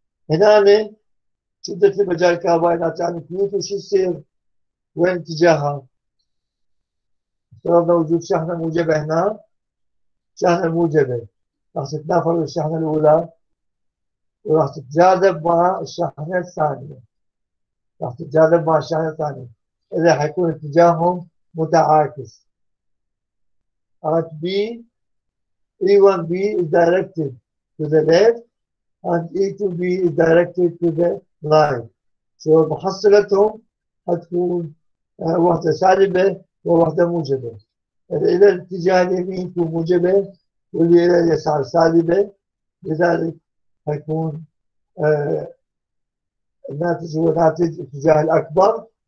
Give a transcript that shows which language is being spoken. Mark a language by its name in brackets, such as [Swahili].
[Arabic] هنا شدة المجال الكهربائي الناتج عن كيو تي شو يصير؟ وين اتجاهها؟ افترضنا وجود شحنة موجبة هنا، شحنة موجبة راح تتنافر الشحنة الأولى وراح تتجاذب مع الشحنة الثانية، راح تتجاذب مع الشحنة الثانية، إذا حيكون اتجاههم متعاكس. [English] At B, E1B is directed to the left and E2B is directed to the right. [Arabic] So محصلتهم حتكون واحدة سالبة وواحدة موجبة. اللي إلى الاتجاه اليمين يكون موجبة واللي إلى اليسار سالبة، لذلك حيكون الناتج هو ناتج الاتجاه الأكبر.